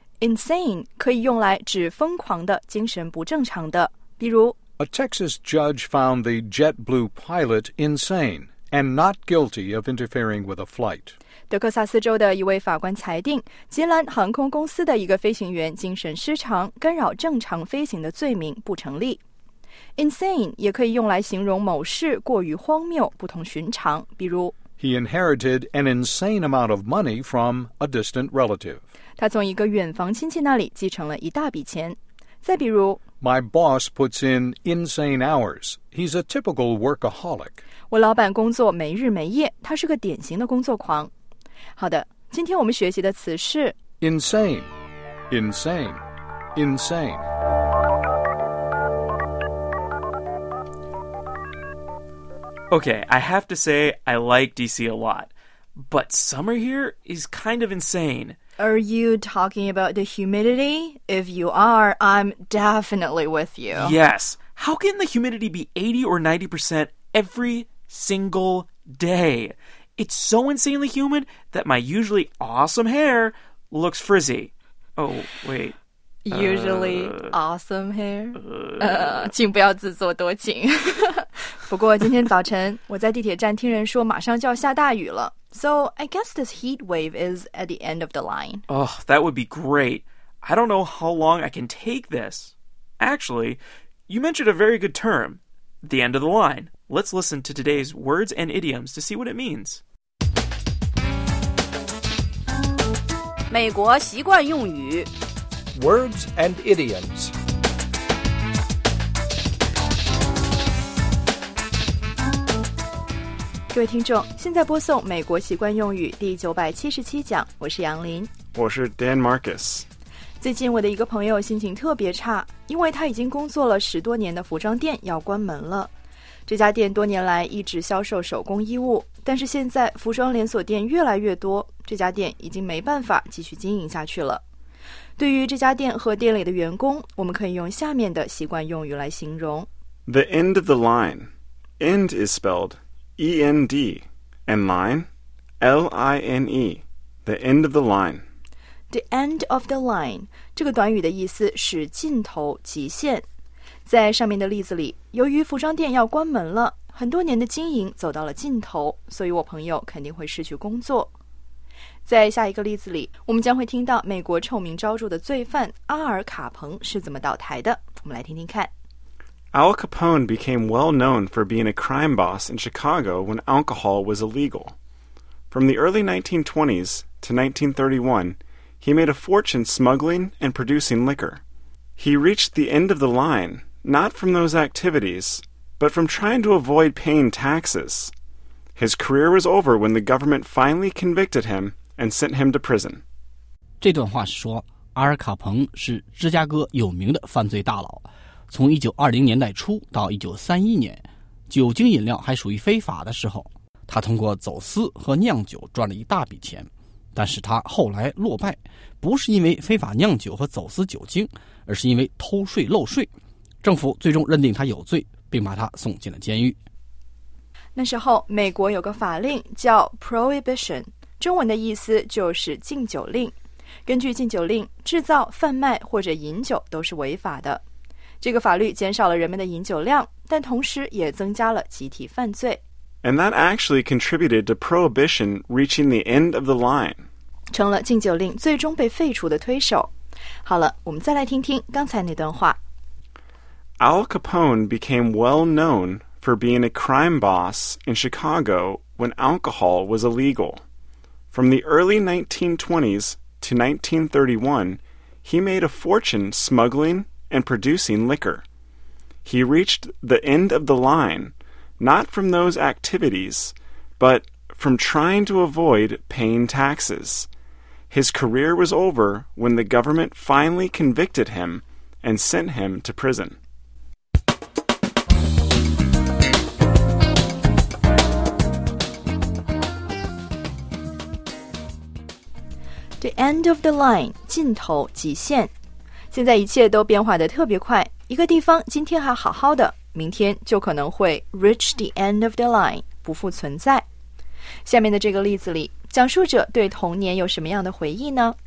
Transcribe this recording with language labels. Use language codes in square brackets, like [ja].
[zh] Insane 可以用来指疯狂的、精神不正常的，比如 [en] A Texas judge found the JetBlue pilot insane and not guilty of interfering with a flight. [zh] 德克萨斯州的一位法官裁定吉兰航空公司的一个飞行员精神失常、干扰正常飞行的罪名不成立。 Insane 也可以用来形容某事过于荒谬、不同寻常，比如 [en] He inherited an insane amount of money from a distant relative. [zh] 他从一个远房亲戚那里继承了一大笔钱。再比如 [en] My boss puts in insane hours. He's a typical workaholic. [zh] 我老板工作没日没夜，他是个典型的工作狂。好的，今天我们学习的词是 [en] insane, insane, insane. Okay, I have to say I like DC a lot, but summer here is kind of insane. Are you talking about the humidity? If you are, I'm definitely with you. Yes. How can the humidity be 80 or 90% every single day? It's so insanely humid that my usually awesome hair looks frizzy. Oh, wait. Usually awesome hair? [zh] 请不要自作多情。不过今天早晨我在地铁站听人说马上就要下大雨了。 [en] So, I guess this heat wave is at the end of the line. Oh, that would be great. I don't know how long I can take this. Actually, you mentioned a very good term, the end of the line. Let's listen to today's words and idioms to see what it means. [zh] 美国习惯用语 [en] Words and idioms. [zh] 各位听众，现在播送美国习惯用语第977讲，我是杨林，我是 Dan Marcus。最近我的一个朋友心情特别差，因为他已经工作了十多年的服装店要关门了。这家店多年来一直销售手工衣物，但是现在服装连锁店越来越多，这家店已经没办法继续经营下去了。对于这家店和店里的员工，我们可以用下面的习惯用语来形容。 [en] The end of the line. End is spelledEND, and line, L-I-N-E, the end of the line. [zh] The end of the line, 这个短语的意思是尽头、极限。在上面的例子里，由于服装店要关门了，很多年的经营走到了尽头，所以我朋友肯定会失去工作。在下一个例子里，我们将会听到美国臭名昭著的罪犯阿尔卡彭是怎么倒台的，我们来听听看。 [en] Al Capone became well known for being a crime boss in Chicago when alcohol was illegal. From the early 1920s to 1931, he made a fortune smuggling and producing liquor. He reached the end of the line, not from those activities, but from trying to avoid paying taxes. His career was over when the government finally convicted him and sent him to prison. [zh] 这段话是说，阿尔卡彭是芝加哥有名的犯罪大佬。从1920年代初到1931年，酒精饮料还属于非法的时候，他通过走私和酿酒赚了一大笔钱。但是他后来落败，不是因为非法酿酒和走私酒精，而是因为偷税漏税。政府最终认定他有罪，并把他送进了监狱。那时候，美国有个法令叫 Prohibition， 中文的意思就是禁酒令。根据禁酒令，制造、贩卖或者饮酒都是违法的。这个法律减少了人们的饮酒量，但同时也增加了集体犯罪。 [en] And that actually contributed to prohibition reaching the end of the line. [zh] 成了禁酒令最终被废除的推手。好了，我们再来听听刚才那段话。 [en] Al Capone became well known for being a crime boss in Chicago when alcohol was illegal. From the early 1920s to 1931, he made a fortune smuggling and producing liquor. He reached the end of the line, not from those activities, but from trying to avoid paying taxes. His career was over when the government finally convicted him and sent him to prison. The end of the line, [zh] 尽头极限。现在一切都变化得特别快，一个地方今天还好好的，明天就可能会 reach the end of the line, 不复存在。下面的这个例子里，讲述者对童年有什么样的回忆呢？